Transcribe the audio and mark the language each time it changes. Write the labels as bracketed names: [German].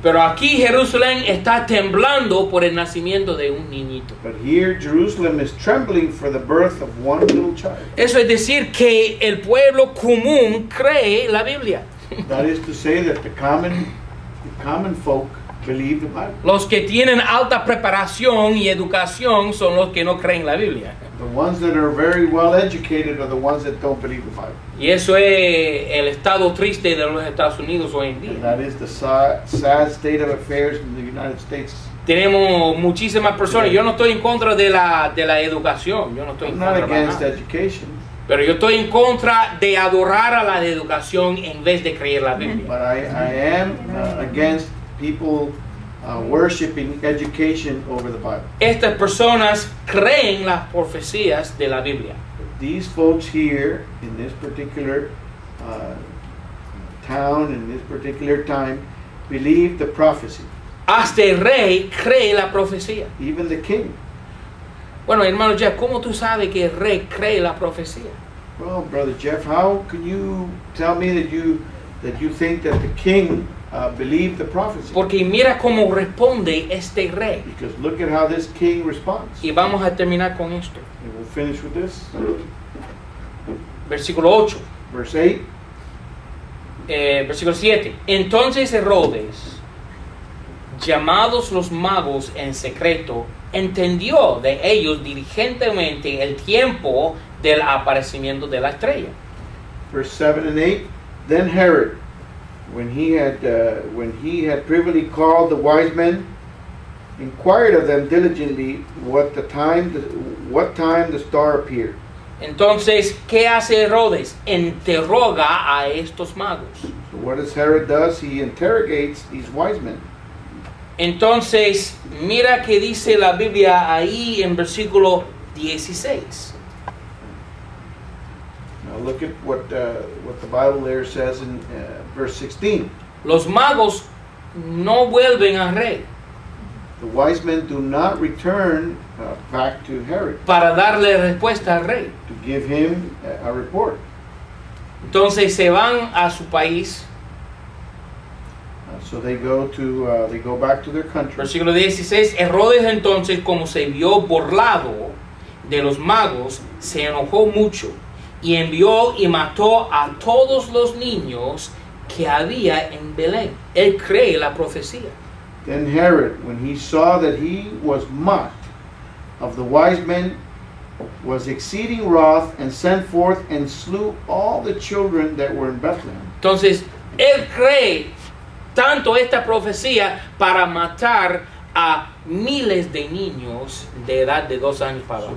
[Spanish] Pero aquí Jerusalén está temblando por el nacimiento de un niñito. [English] But here Jerusalem is trembling for the birth of one little child. [Spanish] Eso es decir que el pueblo común cree la Biblia. [English] That is to say that the common folk believe the Bible. [Spanish] Los que tienen alta preparación y educación son los que no creen la Biblia. [English] The ones that are very well educated are the ones that don't believe the Bible. [Spanish] Y eso es el estado triste de los Estados Unidos hoy en día. [English] And that is the sad state of affairs in the United States. [Spanish] Tenemos muchísimas personas. Yo no estoy en contra de la educación. Yo no estoy [English] I'm [Spanish] en contra [English] not against education. [Spanish] Pero yo estoy en contra de adorar a la educación en vez de creer la Biblia. [English] But I am against people worshiping education over the Bible. [Spanish] Estas personas creen las profecías de la Biblia. [English] These folks here in this particular town in this particular time believe the prophecy. [Spanish] Hasta el rey cree la profecía. [English] Even the king. [Spanish] Bueno, hermano Jeff, ¿cómo tú sabes que el rey cree la profecía? [English] Well, brother Jeff, how can you tell me that you think that the king believe the prophecy? [Spanish] Porque mira cómo responde este rey. [English] Because look at how this king responds. [Spanish] Y vamos a terminar con esto. [English] And we'll finish with this. [Spanish] Versículo 8. [English] Verse 8. [Spanish] Versículo 7. Entonces Herodes, llamados los magos en secreto, entendió de ellos diligentemente el tiempo del aparecimiento de la estrella. [English] Verse 7 and 8. Then Herod, when he had privily called the wise men, inquired of them diligently what time the star appeared. [Spanish] Entonces, ¿qué hace Herodes? Interroga a estos magos. [English] So what does Herod do? He interrogates these wise men. [Spanish] Entonces, mira qué dice la Biblia ahí en versículo 16. [English] Now look at what the Bible there says in verse 16. [Spanish] Los magos no vuelven al rey. [English] The wise men do not return back to Herod. [Spanish] Para darle respuesta al rey. [English] To give him a report. [Spanish] Entonces se van a su país. [English] So they go to they go back to their country. [Spanish] Versículo 16. Herodes entonces, como se vio burlado de los magos, se enojó mucho y envió y mató a todos los niños que había en Belén. Él cree la profecía. [English] Then Herod, when he saw that he was mocked of the wise men, was exceeding wroth and sent forth and slew all the children that were in Bethlehem. [Spanish] Entonces, él cree tanto esta profecía para matar a miles de niños de edad de 2 años para abajo.